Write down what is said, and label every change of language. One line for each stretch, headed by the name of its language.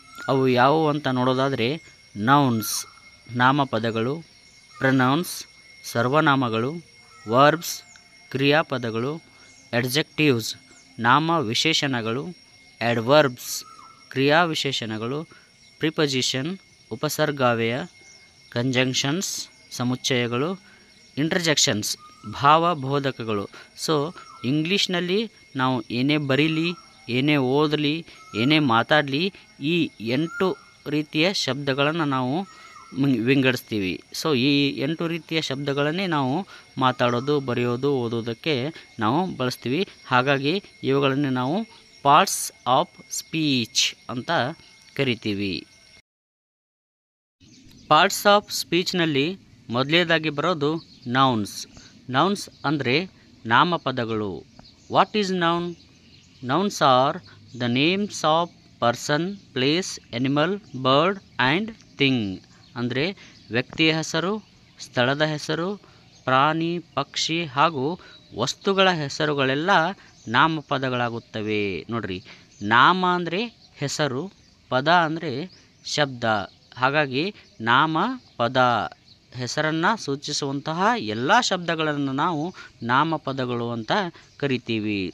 Kannada: avu yaavu anta nododadre nouns nama padagalu, pronouns sarvanamagalu, verbs kriya padagalu, adjectives nama visheshanagalu, adverbs ಕ್ರಿಯಾ ವಿಶೇಷಣಗಳು, preposition ಉಪಸರ್ಗಾವ್ಯಯ, conjunctions ಸಮುಚ್ಚಯಗಳು, ಇಂಟರ್ಜೆಕ್ಷನ್ಸ್ ಭಾವಬೋಧಕಗಳು. So ಇಂಗ್ಲೀಷ್ನಲ್ಲಿ ನಾವು ಏನೇ ಬರೀಲಿ, ಏನೇ ಓದಲಿ, ಏನೇ ಮಾತಾಡಲಿ, ಈ 8 ರೀತಿಯ ಶಬ್ದಗಳನ್ನು ನಾವು ವಿಂಗಡಿಸ್ತೀವಿ. ಸೊ ಈ 8 ರೀತಿಯ ಶಬ್ದಗಳನ್ನೇ ನಾವು ಮಾತಾಡೋದು, ಬರೆಯೋದು, ಓದೋದಕ್ಕೆ ನಾವು ಬಳಸ್ತೀವಿ. ಹಾಗಾಗಿ ಇವುಗಳನ್ನೇ ನಾವು parts of speech ಅಂತ ಕರಿತೀವಿ. Parts of speechನಲ್ಲಿ ಮೊದಲೇದಾಗಿ ಬರೋದು nouns. Nouns ಅಂದರೆ ನಾಮಪದಗಳು.
English: What is noun? Nouns are the names of person, place, animal, bird and thing.
Kannada: ಅಂದರೆ ವ್ಯಕ್ತಿಯ ಹೆಸರು, ಸ್ಥಳದ ಹೆಸರು, ಪ್ರಾಣಿ, ಪಕ್ಷಿ ಹಾಗೂ ವಸ್ತುಗಳ ಹೆಸರುಗಳೆಲ್ಲ ನಾಮಪದಗಳಾಗುತ್ತವೆ. ನೋಡ್ರಿ, ನಾಮ ಅಂದರೆ ಹೆಸರು, ಪದ ಅಂದರೆ ಶಬ್ದ. ಹಾಗಾಗಿ ನಾಮ ಪದ ಹೆಸರನ್ನು ಸೂಚಿಸುವಂತಹ ಎಲ್ಲ ಶಬ್ದಗಳನ್ನು ನಾವು ನಾಮಪದಗಳು ಅಂತ ಕರಿತೀವಿ.